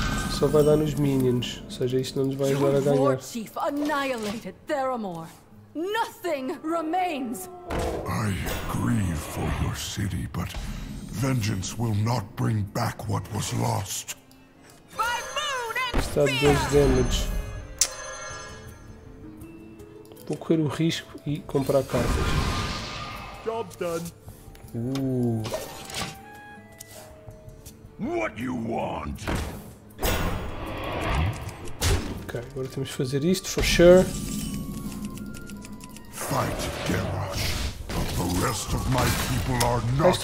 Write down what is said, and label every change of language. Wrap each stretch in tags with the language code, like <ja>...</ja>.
<pt>Só vai dar nos minions, ou seja, isso não nos vai ajudar a ganhar.</pt> <en>O Chief annihilated Theramore. Nothing remains. I grieve for your city, but vengeance will not bring back what was lost. By moon and fear!</en> <pt>Está a dois damage. Vou correr o risco e comprar cartas.</pt> <en>Job done. What you want?</en> <pt>Ok, agora temos que fazer isto</pt> <en>for sure. Fight, Garrosh. The rest of my people are not</en>